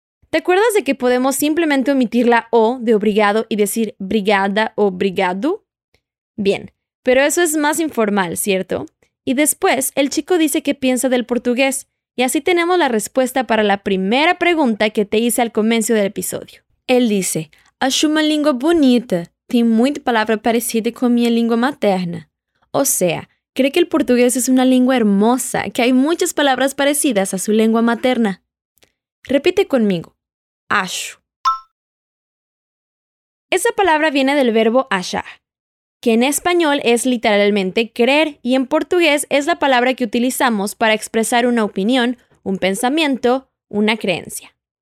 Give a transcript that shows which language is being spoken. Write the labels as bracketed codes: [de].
[es] ¿Te acuerdas de que podemos simplemente omitir la O de obrigado y decir brigada o brigado? Bien, pero eso es más informal, ¿cierto? Y después, el chico dice qué piensa del portugués. Y así tenemos la respuesta para la primera pregunta que te hice al comienzo del episodio. [pt] Él dice, acho uma língua bonita. Tem muita palavra parecida com minha língua materna. [es] O sea, cree que el portugués es una lengua hermosa, que hay muchas palabras parecidas a su lengua materna. Repite conmigo. Acho. Esa palabra viene del verbo achar, que en español es literalmente creer y en portugués es la palabra que utilizamos para expresar una opinión, un pensamiento, una creencia.